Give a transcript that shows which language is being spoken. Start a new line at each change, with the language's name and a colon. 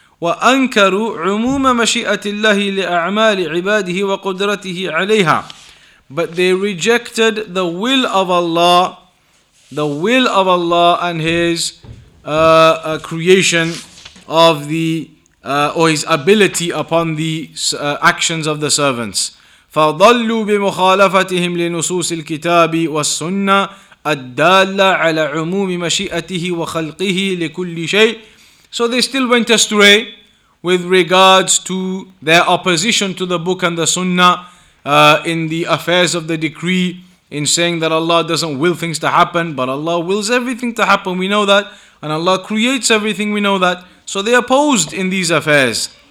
Arabic: وَأَنْكَرُوا عُمُومَ مَشِئَةِ اللَّهِ لِأَعْمَالِ عِبَادِهِ وَقُدْرَتِهِ عَلَيْهَا.
English: But they rejected the will of Allah, the will of Allah and His creation of the or His ability upon the actions of the servants.
Arabic: فضلوا بمخالفتهم لنصوص الكتاب والسنة الدالة على عموم مشيئته وخلقه لكل شيء.
English: So they still went astray with regards to their opposition to the book and the Sunnah. In the affairs of the decree, in saying that Allah doesn't will things to happen, but Allah wills everything to happen, we know that. And Allah creates everything, we know that. So they opposed in these affairs.